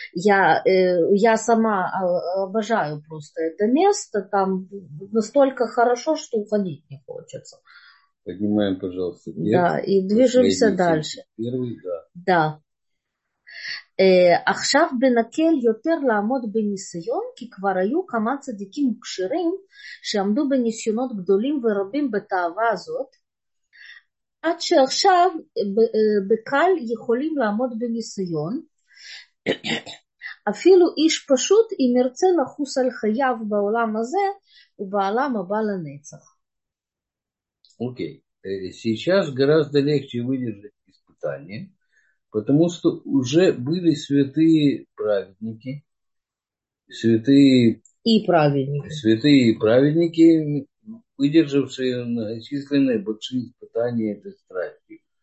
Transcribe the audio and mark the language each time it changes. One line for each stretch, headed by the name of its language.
Russian: Я сама обожаю просто это место. Там настолько хорошо, что уходить не хочется. Поднимаем, пожалуйста, нет. Да, и движемся дальше. Первый, да. Да.
Hebrew: עכשיו בנקל יותר לעמוד בניסיון כי כבר היו כמה צדיקים מוכשרים שעמדו בניסיונות גדולים ורבים בתאווה הזאת. עד שעכשיו בקל יכולים לעמוד בניסיון, אפילו איש פשוט אם ירצה לחוס על חייו בעולם הזה ובעולם הבא לנצח.
Russian: אוקיי, сейчас гораздо легче выдержать испытание, потому что уже были святые праведники, святые и праведники, выдержавшие многочисленные большие испытания этой страсти.